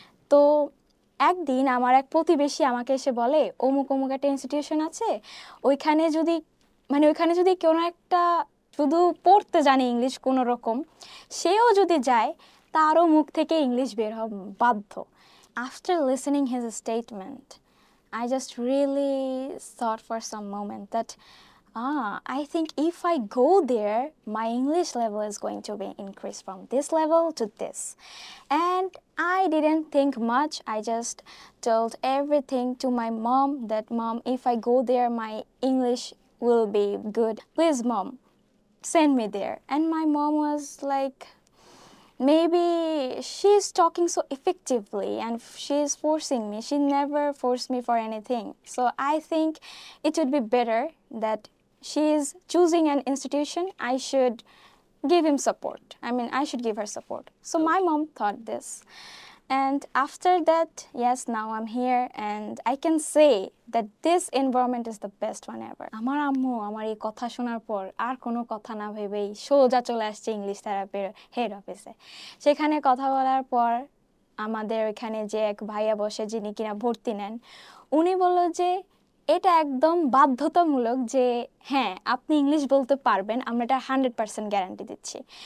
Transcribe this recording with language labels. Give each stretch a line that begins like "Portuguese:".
Bangla: তো একদিন আমার এক প্রতিবেশী আমাকে এসে বলে অমুক অমুক একটা ইনস্টিটিউশন আছে, ওইখানে যদি মানে ওইখানে যদি কেউ না একটা শুধু পড়তে জানে ইংলিশ কোনো রকম, সেও যদি যায় তারও মুখ থেকে ইংলিশ বের হবে বাধ্য।
English: After listening his statement, I just really thought for some moment that I think if I go there, my English level is going to be increased from this level to this. And I didn't think much. I just told everything to my mom that, mom, if I go there, my English will be good. Please, mom, send me there. And my mom was like, maybe she is talking so effectively and she is forcing me. She never forced me for anything. So I think it would be better that she is choosing an institution. I should give him support. I mean, I should give her support. So my mom thought this. And after that, yes, now I'm here and I can say that this environment is the best one ever.
Bangla: আমার আম্মু আমার এই কথা শোনার পর আর কোনো কথা না ভেবেই সোজা চলে আসছে ইংলিশ থেরাপির হেড অফিসে। সেখানে কথা বলার পর আমাদের ওইখানে যে এক ভাইয়া বসে যিনি কিনা ভর্তি নেন, উনি বললো যে এটা একদম বাধ্যতামূলক যে হ্যাঁ আপনি ইংলিশ বলতে পারবেন, আমরা এটা 100% গ্যারান্টি দিচ্ছি।